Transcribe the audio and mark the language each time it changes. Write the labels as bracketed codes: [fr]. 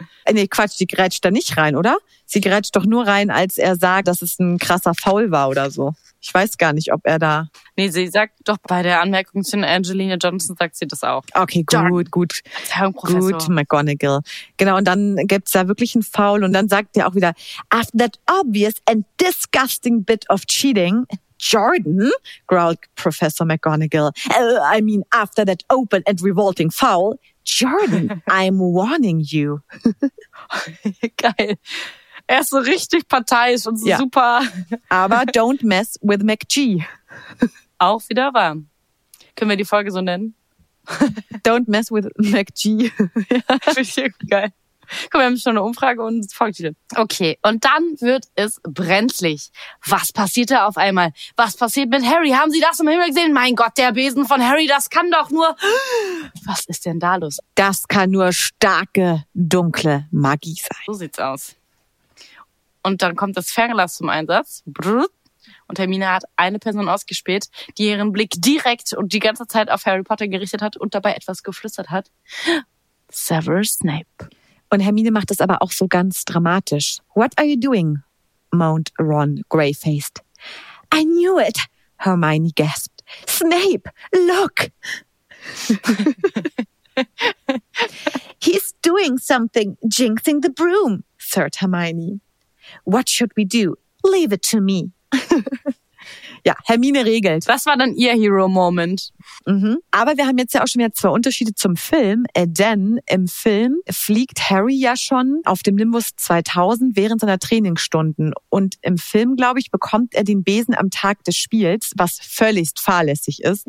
[de] Nee, Quatsch, die grätscht da nicht rein, oder? Sie grätscht doch nur rein, als er sagt, dass es ein krasser Foul war oder so. Ich weiß gar nicht, ob er da... Nee, sie sagt doch bei der Anmerkung zu Angelina Johnson, sagt sie das auch. Okay, gut, gut. Gut, McGonagall. Genau, und dann gibt's da wirklich einen Foul. Und dann sagt er auch wieder, [en] after that obvious and disgusting bit of cheating... Jordan, growled Professor McGonagall. I mean, after that open and revolting foul, Jordan, I'm warning you. [de] Geil. Er ist so richtig parteiisch und so ja. Super. Aber [en] don't mess with McG. [de] Auch wieder wahr. Können wir die Folge so nennen? [en] Don't mess with McG. [de] Richtig geil. Guck, wir haben schon eine Umfrage und Folgetitel. Okay, und dann wird es brenzlig. Was passiert da auf einmal? Was passiert mit Harry? Haben Sie das im Himmel gesehen? Mein Gott, der Besen von Harry, das kann doch nur... Was ist denn da los? Das kann nur starke, dunkle Magie sein. So sieht's aus. Und dann kommt das Fernglas zum Einsatz. Und Hermine hat eine Person ausgespäht, die ihren Blick direkt und die ganze Zeit auf Harry Potter gerichtet hat und dabei etwas geflüstert hat. Severus Snape. Und Hermine macht das aber auch so ganz dramatisch. [en] What are you doing? Moaned Ron, gray-faced. I knew it, Hermione gasped. Snape, look! He's doing something, jinxing the broom, said Hermione. What should we do? Leave it to me. [de] Ja, Hermine regelt. Was war dann ihr Hero-Moment? Mhm. Aber wir haben jetzt ja auch schon wieder zwei Unterschiede zum Film. Denn im Film fliegt Harry ja schon auf dem Nimbus 2000 während seiner Trainingsstunden. Und im Film, glaube ich, bekommt er den Besen am Tag des Spiels, was völligst fahrlässig ist.